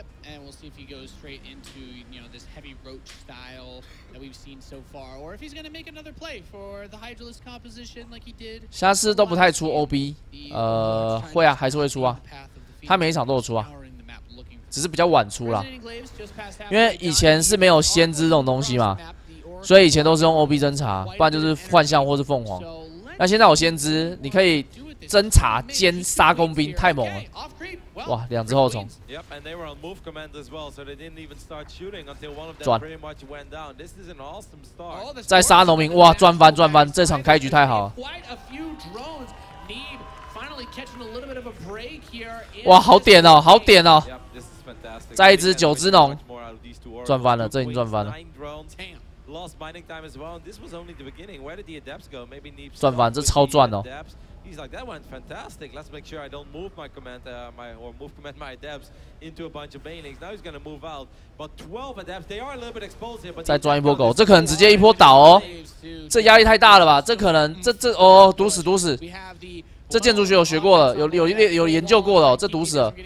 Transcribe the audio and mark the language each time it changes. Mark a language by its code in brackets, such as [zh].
[en] Yep, and we'll see if he goes straight into, you know, this heavy roach style that we've seen so far, or if he's going to make another play for the Hydralisk composition like he did. [zh] 下次都不太出 OB， 会啊，还是会出啊，他每一场都有出啊，只是比较晚出啦，因为以前是没有先知这种东西嘛，所以以前都是用 OB 侦查，不然就是幻象或是凤凰。那现在有先知，你可以侦查兼杀工兵，太猛了！哇，两只后虫。 [en] Yep, and they were on move command as well, so they didn't even start shooting until one of them pretty much went down. This is an awesome start. [zh] 在杀农民，哇，赚翻赚翻！这场开局太好了。哇，好点哦，好点哦！再一只九只农，赚翻了，这已经赚翻了。 [en] Lost mining time as well. This was only the beginning. Where did the adepts go? Maybe Neep. [zh] 赚翻，这超赚哦。 [en] He's like that went fantastic. Let's make sure I don't move my command, my adepts into a bunch of banings. Now he's gonna move out. But 12 adepts, they are a little bit exposed here. [zh] 再赚一波狗，这可能直接一波倒哦。这压力太大了吧？这可能，这哦，毒死毒死。这建筑学有学过了，有研究过了、哦，这毒死了。